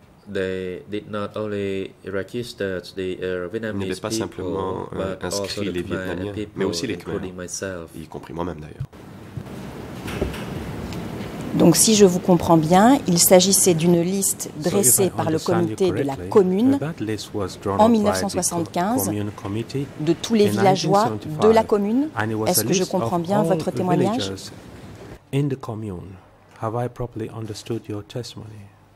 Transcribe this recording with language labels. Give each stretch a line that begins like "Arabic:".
English: They did not only register the Vietnamese people, but also the Khmer people, including myself.
French: Y compris moi-même d'ailleurs. Donc, si je vous comprends bien, il s'agissait d'une liste dressée par le comité de la commune en 1975 de tous les villageois de la commune. Est-ce que je comprends bien votre témoignage?
English: In the commune, have I properly understood your testimony?